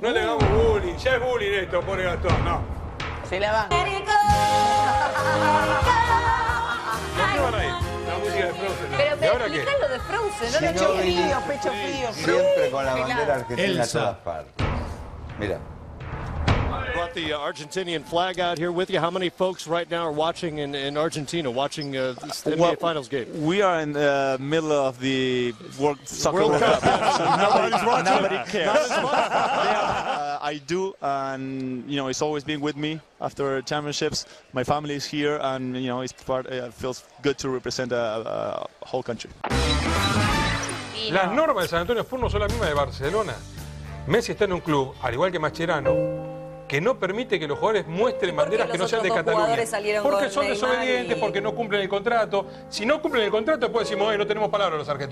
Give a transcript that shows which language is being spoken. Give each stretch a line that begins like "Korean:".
Spanish: No le hagamos bullying, ya es bullying esto, pobre Gastón, no. Se la va. ¿No se van a ir? La música de Frozen. ¿No? Pero explícalo de Frozen, no pecho frío, pecho frío. Siempre con la bandera argentina a todas partes. Mira.
English: Brought the Argentinian flag out here with you. How many folks right now are watching in Argentina, watching the NBA Finals game? We are in the middle of the World Soccer World Cup. Nobody's watching. Nobody cares. I do, and you know, it's always been with me after championships. My family is here, and you know, it's part. It feels good to represent a whole country.
Spanish: Las normas de San Antonio Spurs no son las mismas de Barcelona. Messi está en un club al igual que Mascherano. Que no permite que los jugadores muestren banderas que no sean de Cataluña. Porque son desobedientes, porque no cumplen el contrato. Si no cumplen el contrato, después decimos, no tenemos palabra los argentinos.